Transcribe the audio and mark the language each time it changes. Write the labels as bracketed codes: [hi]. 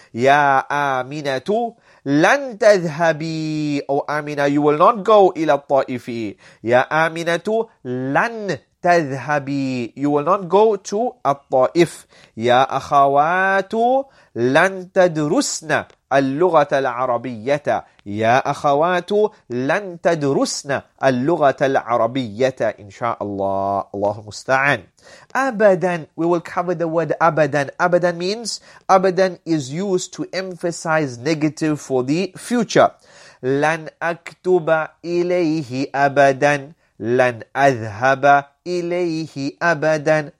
[ar] Ya Aminatu, lan tadhhabi. [en] O Amina, you will not go [ar] ila Taifi. Ya Aminatu, lan tadhhabi. [en] You will not go to Taif. [ar] Ya Akhawatu, lan tadrusna اللغة العربية. يا أخوات لن تدرسنا اللغة العربية إن شاء الله. الله مستعان. أبدا. [en] We will cover the word أبدا. أبدا means, أبدا is used to emphasize negative for the future. [ar] لن أكتب إليه أبدا. لن أذهب إليه أبدا.